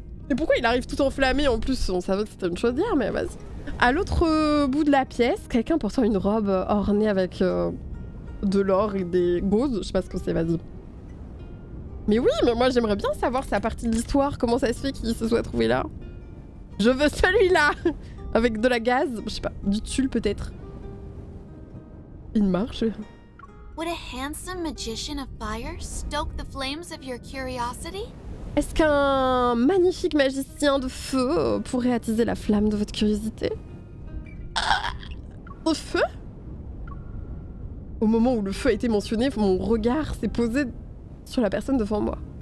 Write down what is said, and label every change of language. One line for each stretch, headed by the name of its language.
French: Et pourquoi il arrive tout enflammé en plus? On savait que c'était une chose d'hier, mais vas-y. À l'autre bout de la pièce, quelqu'un portant une robe ornée avec de l'or et des gauzes. Je sais pas ce que c'est, vas-y. Mais oui, mais moi j'aimerais bien savoir sa partie de l'histoire. Comment ça se fait qu'il se soit trouvé là? Je veux celui-là. Avec de la gaze, je sais pas, du tulle peut-être. Il marche.
English: Would a handsome magician of fire stoke the flames of your curiosity?
French: Est-ce qu'un magnifique magicien de feu pourrait attiser la flamme de votre curiosité? Au feu? Au moment où le feu a été mentionné, mon regard s'est posé sur la personne devant moi.